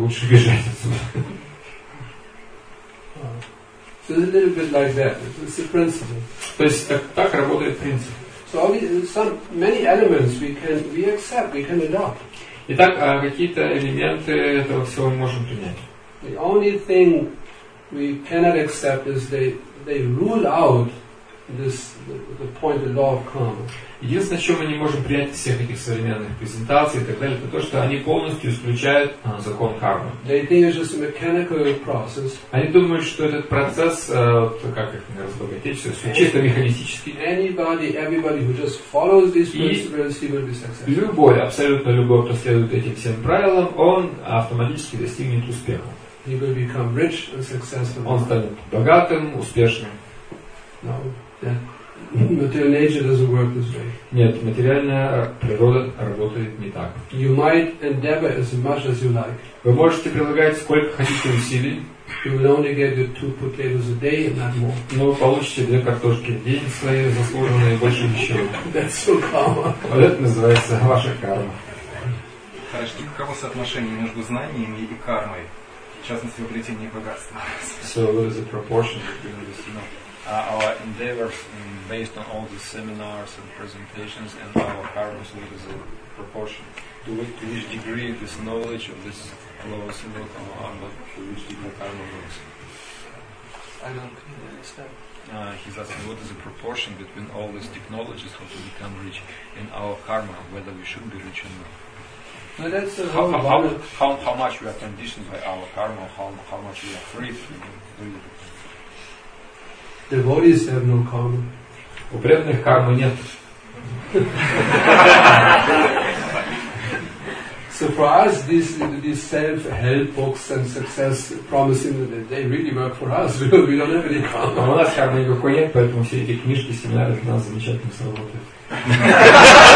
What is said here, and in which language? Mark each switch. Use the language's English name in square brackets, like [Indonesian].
[Russian] Лучше бежать отсюда. [English] So it's a little bit like that. It's the principle. [Russian] То есть так работает принцип. [English] So some many elements we accept, we can adopt. [Russian] Итак, какие-то элементы этого всего мы можем принять. [English] The only thing we cannot accept is they rule out this the point of law of karma. [Russian] Единственное, что мы не можем принять из всех этих современных презентаций и так далее, это то, что они полностью исключают закон кармы. [English] They think it's just a mechanical process. [Russian] Они думают, что этот процесс, как их разбогатеть, чисто механистический. [English] Anybody, everybody who just follows these principles, he will be successful. [Russian] Любой, абсолютно любой, кто следует этим всем правилам, он автоматически достигнет успеха. [English] He will become rich and successful. [Russian] Он станет богатым, успешным. [English] No, that material nature doesn't work this way. [Russian] Нет, материальная природа работает не так. [English] You might endeavor as much as you like. [Russian] Вы можете прилагать сколько хотите усилий. [English] You will only get your 2 potatoes a day and not more. [Russian] Но вы получите 2 картошки в день свои заслуженные, больше ничего. [English] That's your karma. [Russian] Вот это называется ваша карма. Хорошо, каково соотношение между знаниями и кармой? В частности, обретение богатства. [English] So what is the proportion between these? No. Our endeavors based on all the seminars and presentations and our karmas, what is the proportion? To which degree this knowledge of this law is similar to our karma, to which degree karma works? I don't understand. He's asking what is the proportion between all these technologies, how to become rich, and our karma, whether we should be rich or not. Now that's how much we are conditioned by our karma, how much we are free from it. Devotees have no karma. [Russian] У преданных кармы нет. [English] So for us, these self-help books and success promising that they really work for us, because we don't have any karma. [Russian] У нас кармы никакой нет, поэтому все эти книжки, семинары для нас замечательно сработают.